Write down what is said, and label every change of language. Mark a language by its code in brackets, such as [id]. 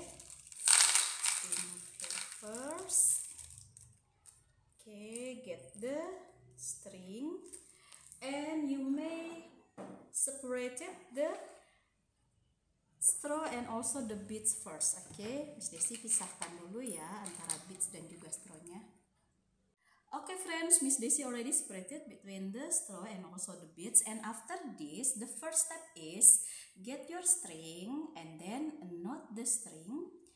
[en] Remove first. Okay, get the string. And you may separate the straw and also the beads first. [id] Okay, Miss Desi pisahkan dulu ya antara beads dan juga strawnya. [en] Okay friends, Miss Desi already separated between the straw and also the beads. And after this, the first step is get your string and then knot the string.